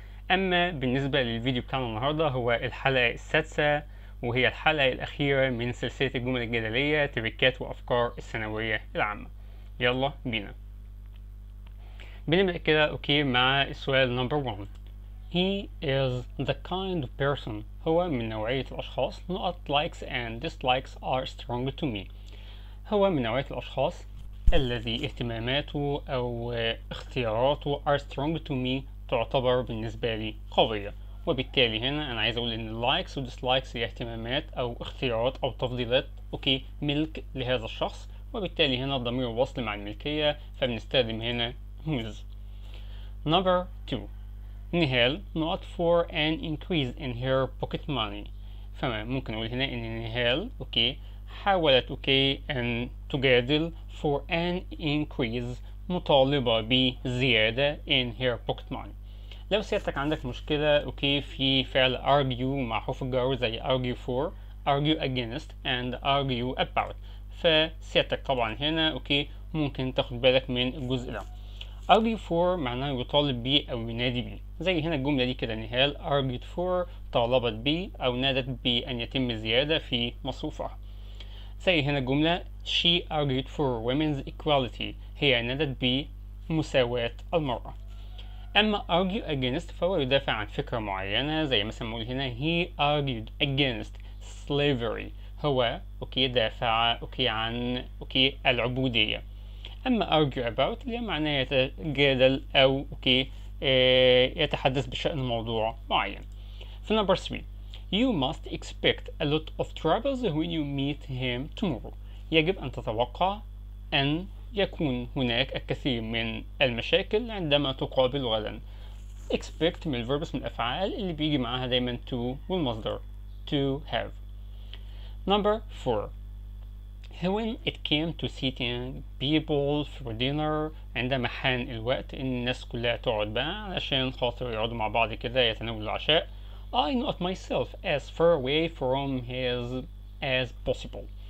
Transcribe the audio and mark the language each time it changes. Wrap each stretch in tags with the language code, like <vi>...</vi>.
<ar>أما بالنسبة للفيديو بتاعنا النهاردة، هو الحلقة السادسة وهي الحلقة الأخيرة من سلسلة الجمل الجدلية تريكات وأفكار الثانوية العامة. يلا بينا بنبدأ كده أوكي مع السؤال نمبر 1.</ar> <en>He is the kind of person.</en> <ar>هو من نوعية الأشخاص.</ar> <en>Not likes and dislikes are strong to me.</en> <ar>هو من نوعية الأشخاص الذي اهتماماته أو اختياراته</ar> <en>are strong to me،</en> <ar>تعتبر بالنسبة لي قوية. وبالتالي هنا أنا عايز أقول إن likes و dislikes هي اهتمامات أو اختيارات أو تفضيلات أوكي ملك لهذا الشخص، وبالتالي هنا الضمير وصل مع الملكية، فبنستخدم هنا his.</ar> <en>Number 2. نهال not for an increase in her pocket money.</en> <ar>فما ممكن نقول هنا إن نهال أوكي حاولت أوكي أن تجادل</ar> <en>for an increase،</en> <ar>مطالبة بزيادة</ar> <en>in her pocket money.</en> <ar>لو سيادتك عندك مشكلة أوكي في فعل argue مع حرف الجر زي argue for، argue against and argue about، فسيادتك طبعا هنا أوكي ممكن تاخد بالك من الجزء ده. argue for معناه يطالب بي أو ينادي بي، زي هنا الجملة دي كده نهال argued for، طالبت بي أو نادت بي أن يتم زيادة في مصروفها. زي هنا الجملة</ar> <en>she argued for women's equality،</en> <ar>هي نادت بي مساواة المرأة. أما argue against فهو يدافع عن فكرة معينة، زي مثلا نقول هنا</ar> <en>he argued against slavery،</en> <ar>هو أوكي دافع أوكي عن أوكي العبودية. أما argue about اللي معناه يتجادل أو أوكي يتحدث بشأن موضوع معين.</ar> <en>في number 3. You must expect a lot of troubles when you meet him tomorrow.</en> <ar>يجب أن تتوقع أن يكون هناك الكثير من المشاكل عندما تقابل غدا. expect من الverbs من الأفعال اللي بيجي معها دايما to والمصدر to have.</ar> <en>Number 4. When it came to seating people for dinner،</en> <ar>عندما حان الوقت إن الناس كلها تقعد بقى علشان خاطر يقعدوا مع بعض كده يتناولوا العشاء،</ar> <en>I not myself as far away from his as possible.</en>